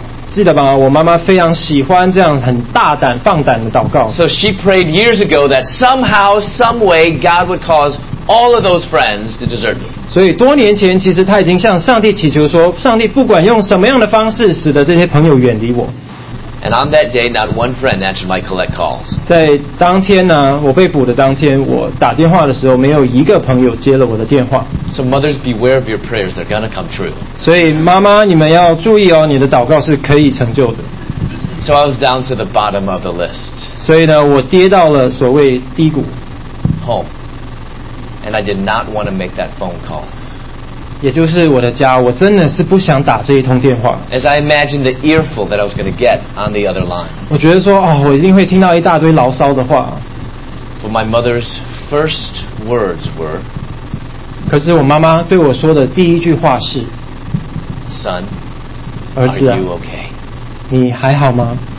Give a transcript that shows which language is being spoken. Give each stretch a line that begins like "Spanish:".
Chinese: 记得吧，我妈妈非常喜欢这样很大胆放胆的祷告。
English: So she prayed years ago that somehow, some way, God would cause all of those friends to desert me.
Chinese: 所以多年前，其实她已经向上帝祈求说，上帝不管用什么样的方式，使得这些朋友远离我。
English: And on that day, not one friend answered my collect calls.
Chinese: 在当天呢，我被捕的当天，我打电话的时候，没有一个朋友接了我的电话。
English: So mothers, beware of your prayers; they're gonna come true.
Chinese: 所以妈妈，你们要注意哦，你的祷告是可以成就的。
English: So I was down to the bottom of the list.
Chinese: 所以呢，我跌到了所谓低谷。
English: Home, and I did not want to make that phone call.
Chinese: 也就是我的家，我真的是不想打这一通电话。
English: As I imagined the earful that I was going to get on the other line.
Chinese: 我觉得说，哦，我一定会听到一大堆牢骚的话。
English: But my mother's first words were.
Chinese: 可是我妈妈对我说的第一句话是。
English: Son.
Chinese: 儿子啊。
English: Are you okay?
Chinese: 你还好吗